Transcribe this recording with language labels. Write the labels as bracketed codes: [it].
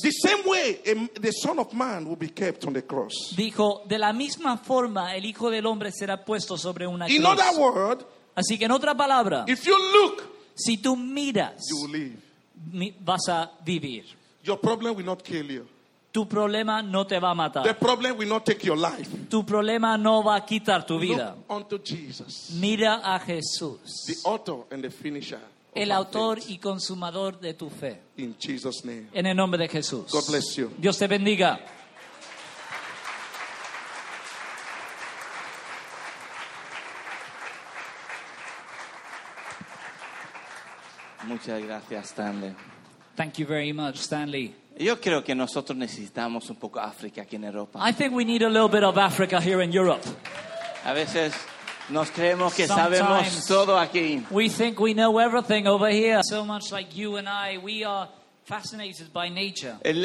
[en] the same way the Son of Man will be kept on the cross. [es] Dijo, de la misma forma el Hijo del Hombre será puesto sobre una cruz. [en] In other word, [es] así que en otra palabra [en] if you look, [es] si tú miras [en] you will live. [es] Vas a vivir. [en] Your problem will not kill you. [es] Tu problema no te va a matar. [en] The problem will not take your life. [es] Tu problema no va a quitar tu vida. [en] Look unto Jesus. [es] Mira a Jesús. [en] The author and the finisher [es] el autor y consumador de tu fe. [en] In Jesus name. [es] En el nombre de Jesús. [en] God bless you. [es] Dios te bendiga. Muchas gracias, Stanley. [en] Thank you very much, Stanley. [es] Yo creo que nosotros necesitamos un poco África aquí en Europa. [en] I think we need a little bit of Africa here in Europe. [es] A veces nos creemos que sabemos todo aquí. [en] We think we know everything over here. So much like you and I, we are fascinated by nature.